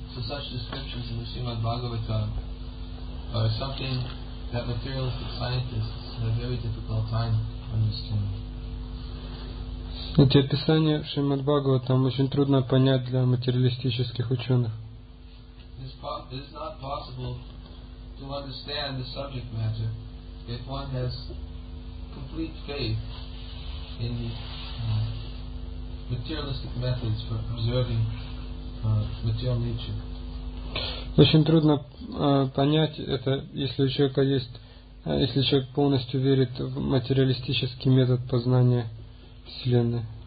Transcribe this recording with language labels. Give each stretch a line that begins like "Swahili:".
English: Such descriptions in the Srimad Bhagavatam are something that materialistic scientists have a very difficult time understanding.
Russian: Эти описания в Шримад Бхагаватам очень трудно понять для материалистических ученых.
English: It is not possible to understand the subject matter if one has complete faith in the materialistic methods for observing material nature.
Russian: Очень трудно понять это, если у человека есть, если человек полностью верит в материалистический метод познания Вселенной.